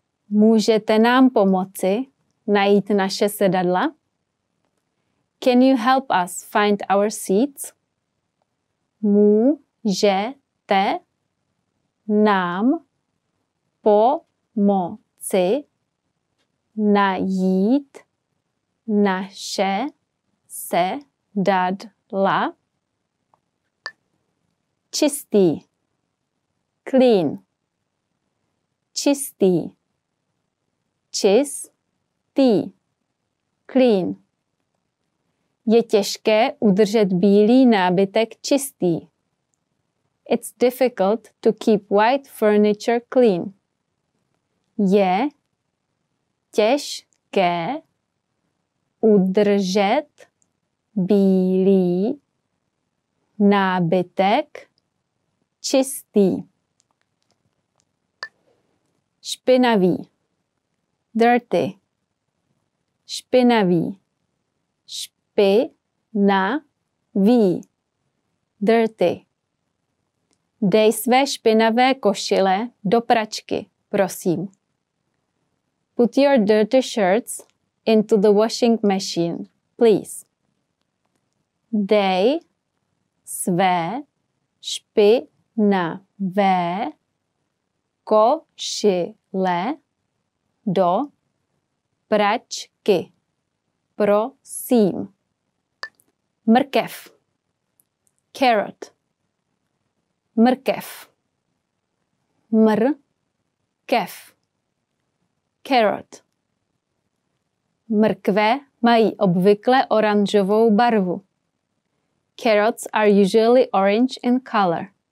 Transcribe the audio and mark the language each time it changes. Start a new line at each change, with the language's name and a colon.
Czech: Můžete nám pomoci najít naše sedadla?
English: Can you help us find our seats?
Czech: Můžete nám pomoci najít naše sedadla? Čistý.
English: Clean.
Czech: Čistý. Čistý.
English: Clean.
Czech: Je těžké udržet bílý nábytek čistý.
English: It's difficult to keep white furniture clean.
Czech: Je těžké udržet bílý nábytek čistý. Špinavý.
English: Dirty.
Czech: Špinavý. Špinavý.
English: Dirty.
Czech: Dej své špinavé košile do pračky, prosím.
English: Put your dirty shirts into the washing machine, please.
Czech: Dej své špinavé košile do pračky, prosím. Mrkev.
English: Carrot.
Czech: Mrkev. Mrkev.
English: Carrot.
Czech: Mrkve mají obvykle oranžovou barvu.
English: Carrots are usually orange in color.